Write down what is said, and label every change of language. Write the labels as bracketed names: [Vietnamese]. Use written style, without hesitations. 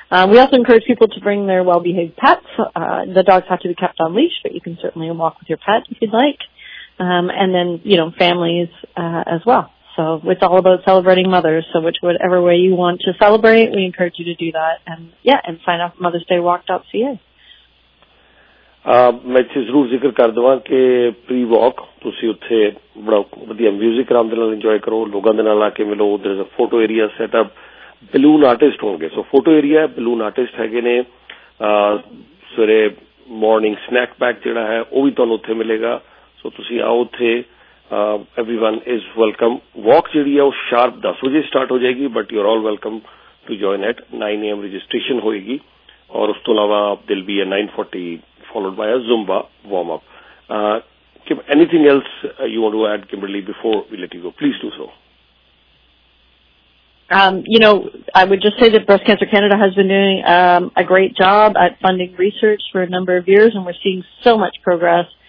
[English] We also encourage people to bring their well-behaved pets. The dogs have to be kept on leash, but you can certainly walk with your pet if you'd like. And then, you know, families as well. So it's all about celebrating mothers. So whichever way you want to celebrate, we encourage you to do that. And, yeah, and sign up at mothersdaywalk.ca. [Punjabi] ਮੈਂ ਇੱਥੇ ਜ਼ਰੂਰ ਜ਼ਿਕਰ ਕਰ ਦੇਵਾਂ ਕਿ pre ਵਾਕ ਤੁਸੀਂ ਉੱਥੇ ਬੜਾ ਵਧੀਆ ਮਿਊਜ਼ਿਕ ਆਰਾਮ ਦੇ ਨਾਲ ਇੰਜੋਏ ਕਰੋ ਲੋਕਾਂ ਦੇ ਨਾਲ ਆ ਕੇ ਮਿਲੋ [English] there is a photo area setup [Punjabi] balloon artist ਹੋਣਗੇ ਸੋ ਫੋਟੋ ਏਰੀਆ ਬਲੂਨ ਆਰਟਿਸਟ ਹੈਗੇ ਨੇ ਸਵੇਰੇ ਮਾਰਨਿੰਗ ਸਨੈਕ ਪੈਕ ਜਿਹੜਾ ਹੈ ਉਹ ਵੀ ਤੁਹਾਨੂੰ ਉੱਥੇ ਮਿਲੇਗਾ ਸੋ ਤੁਸੀਂ ਆਓ ਉੱਥੇ [English] everyone is welcome [Punjabi] ਵਾਕ ਜਿਹੜੀ ਹੈ ਉਹ ਸ਼ਾਰਪ 10 ਵਜੇ ਸਟਾਰਟ ਹੋ ਜਾਏਗੀ [English] but you are all welcome to join at 9 AM [Punjabi] registration ਹੋਏਗੀ ਔਰ ਉਸ ਤੋਂ ਇਲਾਵਾ ਦਿਲ ਬੀ ਹੈ [English] 9:40 followed by a Zumba warm-up. Kim, anything else you want to add, Kimberly, before we let you go? Please do so. You know, I would just say that Breast Cancer Canada has been doing a great job at funding research for a number of years, and we're seeing so much progress.